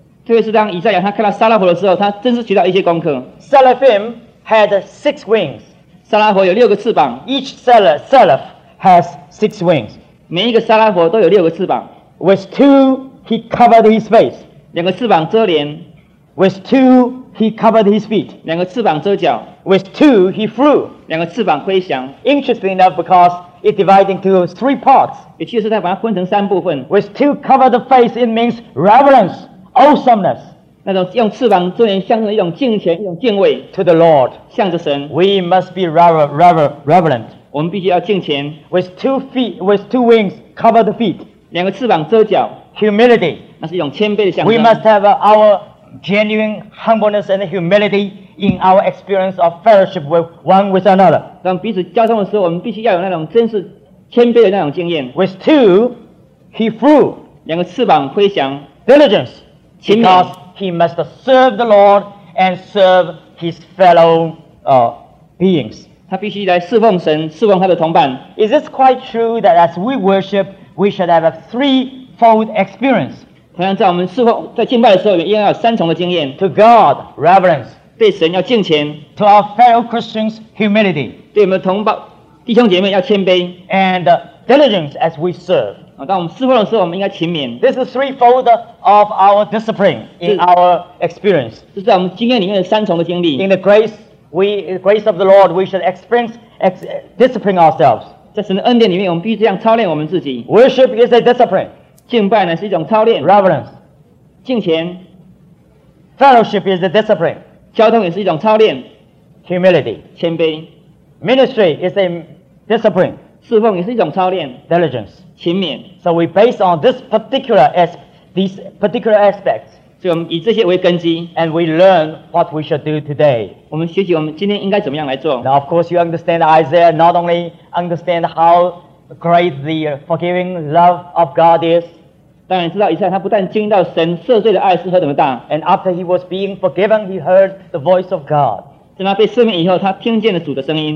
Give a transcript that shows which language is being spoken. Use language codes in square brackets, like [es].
[zh] 特别是当以赛亚他看到撒拉佛的时候，他真是学到一些功课。 [en] Seraphim had six wings. [zh] 撒拉佛有六个翅膀。 [en] Each seraph has six wings. [zh] 每一个撒拉佛都有六个翅膀。 [en] With two, he covered his face. [zh] 两个翅膀遮脸。 [en] With two, he covered his feet. [zh] 两个翅膀遮脚。 [en] With two, he flew. [zh] 两个翅膀飞翔。 [en] Interesting enough, because it divided into three parts. [zh] 也就是他把它分成三部分。 [en] With two covered face, it means reverence, awesomeness. [zh] 那种用翅膀遮脸，象征一种敬虔，一种敬畏。 [en] To the Lord， [zh] 向着神。 [en] We must be reverent。 [zh] 我们必须要敬虔。 [en] With two feet, with two wings, cover the feet。 [zh] 两个翅膀遮脚。 [en] Humility， [zh] 那是一种谦卑的象征。 [en] We must have our genuine humbleness and humility in our experience of fellowship with one with another。 [zh] 当彼此交通的时候，我们必须要有那种真是谦卑的那种经验。 [en] With two, he flew。 [zh] 两个翅膀飞翔。 [en] Diligence， [zh] 勤勉。 [en] He must serve the Lord and serve his fellow beings. [zh] 他必须来侍奉神，侍奉他的同伴。 [en] Is this quite true that as we worship, we should have a threefold experience? [zh] 同样在我们侍奉，在敬拜的时候，也应该有三重的经验。 [en] To God, reverence. [zh] 对神要敬虔。 [en] To our fellow Christians, humility. [zh] 对我们同胞弟兄姐妹要谦卑。 [en] And diligence as we serve. [zh] 当我们侍奉的时候，我们应该勤勉。 [en] This is threefold of our discipline in our experience. [zh] 这是在我们经验里面的三重的经历。 [en] In the grace, grace of the Lord, we should discipline ourselves. [zh] 在神的恩典里面，我们必须这样操练我们自己。 [en] Worship is a discipline. [zh] 敬拜呢是一种操练。 [en] Reverence, [zh] 敬虔。 [en] Fellowship is a discipline. [zh] 交通也是一种操练。 [en] Humility, [zh] 谦卑。 [en] Ministry is a discipline. [zh] 侍奉也是一种操练。 [en] Diligence. [zh] 勤勉。 [en] So we base on these particular aspects. [zh] 所以我们以这些为根基。 [en] And we learn what we should do today. [zh] 我们学习我们今天应该怎么样来做。 [en] Now of course you understand Isaiah not only understand how great the forgiving love of God is. [zh] 当然知道以赛亚他不但经历到神赦罪的爱是何等的大。 [en] And after he was being forgiven, he heard the voice of God. [zh] 在他被赦免以后，他听见了主的声音。